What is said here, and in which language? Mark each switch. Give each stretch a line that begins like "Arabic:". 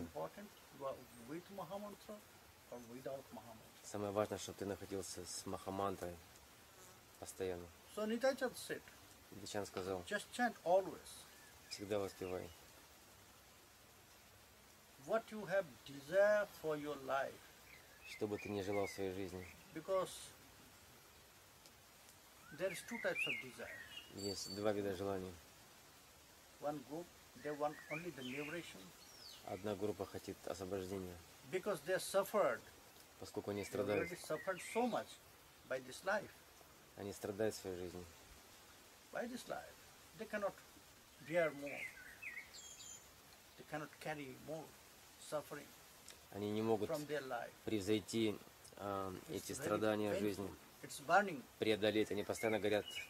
English: Important, you are with Mahamantra or without Mahamantra.
Russian: Самое важное, чтобы ты находился с Махамантрой постоянно.
English: So Nitai Chand said.
Russian: Nitai Chand сказал.
English: Just chant always.
Russian: Всегда воспевай.
English: What you have desire for your life.
Russian: Что бы ты ни желал в своей жизни.
English: Because there is two types of desire.
Russian: Есть два вида желаний.
English: One group, they want only the liberation.
Russian: Одна группа хочет освобождения.
English: Because they suffered.
Russian: Поскольку они страдают.
English: They already suffered so much by this life.
Russian: Они страдают в своей жизни.
English: By this life, they cannot bear more. They cannot carry more suffering.
Russian: Они не могут
English: from their life.
Russian: Превзойти эти страдания в жизни.
English: It's burning.
Russian: Преодолеть, они постоянно горят.